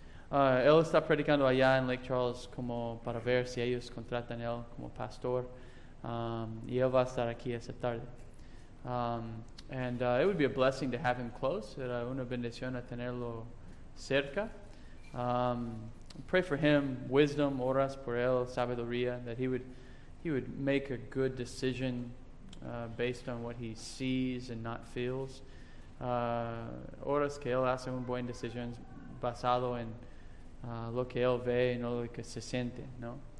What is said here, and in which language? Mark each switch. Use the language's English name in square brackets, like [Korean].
[Spanish] Él está predicando allá en Lake Charles como para ver si ellos contratan él como pastor. Y él va a estar aquí esta tarde. [English] It would be a blessing to have him close. [Spanish] Era una bendición a tenerlo cerca. [English] Pray for him, wisdom, [Spanish] oras por él, sabiduría, [English] that he would make a good decision based on what he sees and not feels. [Spanish] Oras que él hace un buen decision basado en lo que él ve y no lo que se siente, ¿no?